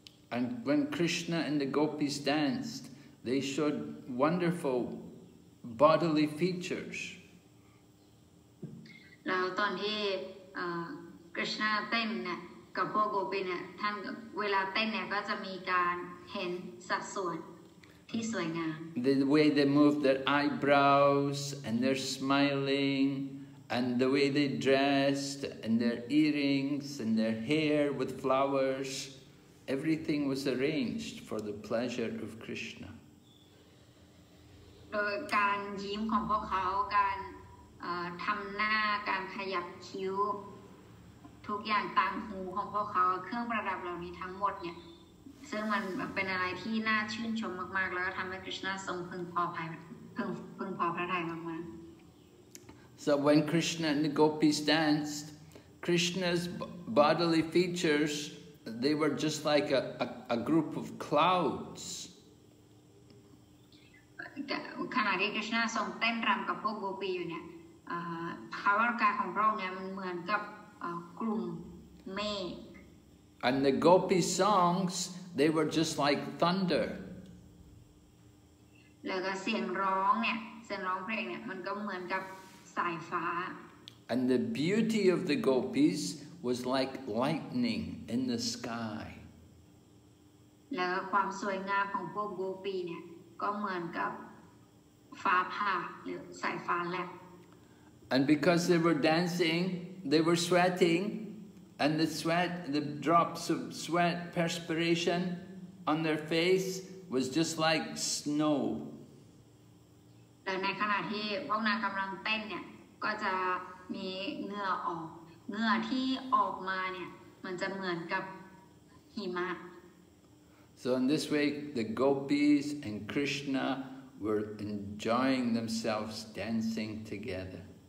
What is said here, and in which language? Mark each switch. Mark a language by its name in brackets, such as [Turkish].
[English] And when Krishna and the gopis danced,They showed wonderful bodily features. [Thai] แล้วตอนที่คริชนาเต้นน่ะกับพวกโกปีเนี่ยท่านเวลาเต้นเนี่ยก็จะมีการเห็นสัดส่วนที่สวยงาม [English] The way they move their eyebrows and they're smiling and the way they dressed and their earrings and their hair with flowers everything was arranged for the pleasure of Krishna. [Thai] การยิ้มของพวกเขาการทำหน้าการขยับคิ้วทุกอย่างตามหูของพวกเขาเครื่องประดับเหล่านี้ทั้งหมดเนี่ยซึ่งมันเป็นอะไรที่น่าชื่นชมมากๆแล้วก็ทำให้คริชนาทรงพึงพอพระทัยมาก [English] ๆ So when Krishna and the gopis danced, Krishna's bodily features they were just like a group of clouds. [Thai] ขณะที่คริชนาทรงเต้นรำกับพวกโกปีอยู่เนี่ยภาวะกายของพระองค์เนี่ยมันเหมือนกับกลุ่มเมฆ [English] And the gopi songs they were just like thunder [Thai] แล้วก็เสียงร้องเนี่ยเสียงร้องเพลงเนี่ยมันก็เหมือนกับสายฟ้า [English] And the beauty of the gopis was like lightning in the sky [Thai] แล้วความสวยงามของพวกโกปีเนี่ยก็เหมือนกับฟ้าผ่าหรือสายฟ้าแลบ [English] And because they were dancing, they were sweating, And the sweat, the drops of sweat, perspiration on their face was just like snow. So in this way, the gopis and Krishna were enjoying themselves dancing together.